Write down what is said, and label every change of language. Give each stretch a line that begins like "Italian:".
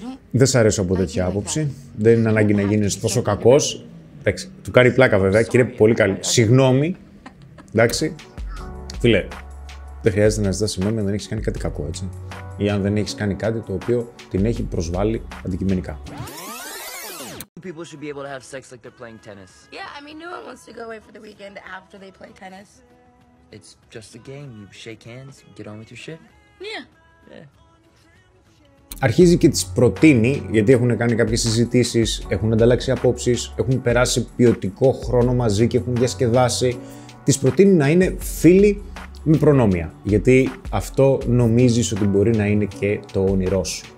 Greek: Δεν σ' αρέσω από τέτοια άποψη, δεν είναι ανάγκη να γίνεις τόσο κακός. Εντάξει, του κάνει πλάκα βέβαια και είναι πολύ καλή. Συγγνώμη, εντάξει. Φίλε, δεν χρειάζεται να ζητάς συγγνώμη αν δεν έχεις κάνει κάτι κακό, έτσι. Ή αν δεν έχεις κάνει κάτι το οποίο την έχει προσβάλει αντικειμενικά.
English: People should be able to have sex like they're playing tennis. Yeah, I mean, no one wants to go away for the weekend after they play tennis. It's just a game. You shake hands, get on with your shit. Yeah.
Greek: Αρχίζει και τις προτείνει, γιατί έχουν κάνει κάποιες συζητήσεις, έχουν ανταλλάξει απόψεις, έχουν περάσει ποιοτικό χρόνο μαζί και έχουν διασκεδάσει. Τις προτείνει να είναι φίλοι με προνόμια, γιατί αυτό νομίζεις ότι μπορεί να είναι και το όνειρό σου.